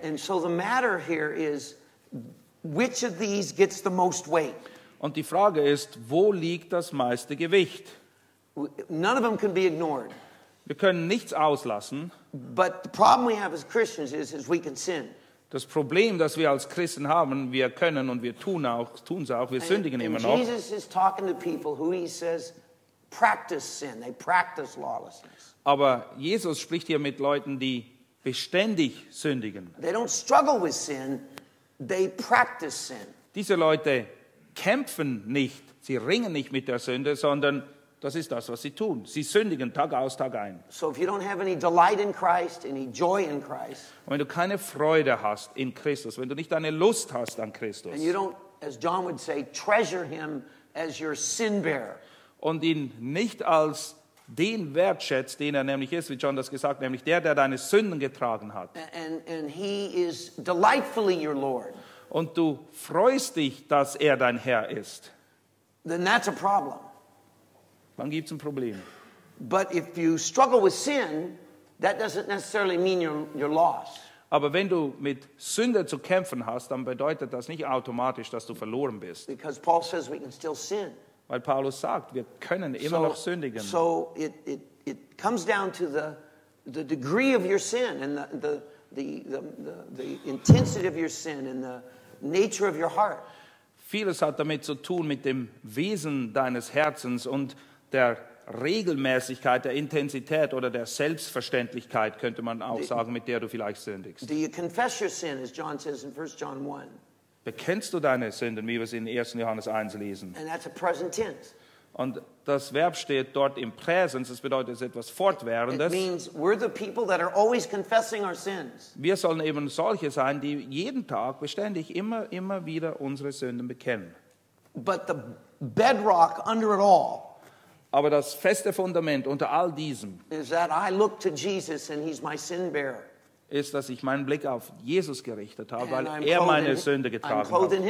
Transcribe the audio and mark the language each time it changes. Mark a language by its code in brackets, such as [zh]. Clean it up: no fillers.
[en] And so the matter here is, which of these gets the most weight? [de] Und die Frage ist, wo liegt das meiste Gewicht? [en] None of them can be ignored. [de] Wir können nichts auslassen. [en] But the problem we have as Christians is we can sin. [de] Das Problem, das wir als Christen haben, wir können und wir tun es auch, wir sündigen immer noch. [en] Jesus is talking to people who he says practice sin, they practice lawlessness. [de] Aber Jesus spricht hier mit Leuten, die beständig sündigen. [en] They don't struggle with sin, they practice sin. [de] Diese Leute kämpfen nicht, sie ringen nicht mit der Sünde, sondern das ist das, was sie tun. Sie sündigen Tag aus, Tag ein. [en] So if you don't have any delight in Christ, any joy in Christ. [de] Und wenn du keine Freude hast in Christus, wenn du nicht eine Lust hast an Christus. [en] And you don't, as John would say, treasure him as your sin bearer. [de] Und ihn nicht als den wertschätzt, den er nämlich ist, wie John das gesagt, nämlich der deine Sünden getragen hat. [en] And he is delightfully your Lord. [de] Und du freust dich, dass er dein Herr ist. [en] Then that's a problem. [de] Dann gibt's ein Problem. [en] But if you struggle with sin, that doesn't necessarily mean you're lost. [de] Aber wenn du mit Sünde zu kämpfen hast, dann bedeutet das nicht automatisch, dass du verloren bist. [en] Because Paul says we can still sin. [de] Weil Paulus sagt, wir können immer noch sündigen. [en] So it comes down to the degree of your sin and the intensity of your sin and the nature of your heart. [de] Vieles hat damit zu tun mit dem Wesen deines Herzens und der Regelmäßigkeit, der Intensität oder der Selbstverständlichkeit, könnte man auch sagen, mit der du vielleicht sündigst. [en] Do you confess your sin, as John says in 1 John 1? [de] Bekennst du deine Sünden, wie wir es in 1. Johannes 1 lesen? [en] And that's a present tense. [de] Und das Verb steht dort im Präsens, das bedeutet, es ist etwas Fortwährendes. [en] It means we're the people that are always confessing our sins. [de] Wir sollen eben solche sein, die jeden Tag beständig immer wieder unsere Sünden bekennen. [en] But the bedrock under it all. [de] Aber das feste Fundament unter all diesem ist, dass ich meinen Blick auf Jesus gerichtet habe, weil er meine Sünde getragen hat.